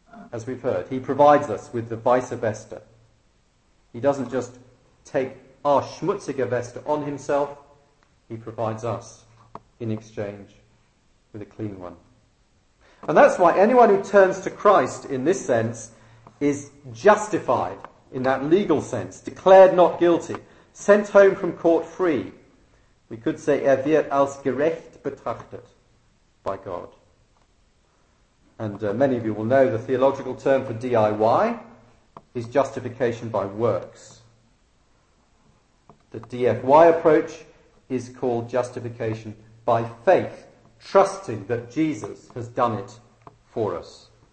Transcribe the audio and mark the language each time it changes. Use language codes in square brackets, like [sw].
[en] As we've heard, he provides us with the vice veste. He doesn't just take our [de] schmutzige Weste [en] on himself, he provides us in exchange with a clean one. And that's why anyone who turns to Christ in this sense is justified in that legal sense, declared not guilty, sent home from court free. We could say, [de] er wird als gerecht betrachtet [en] by God. And many of you will know the theological term for DIY is justification by works. The DFY approach is called justification by faith, trusting that Jesus has done it for us.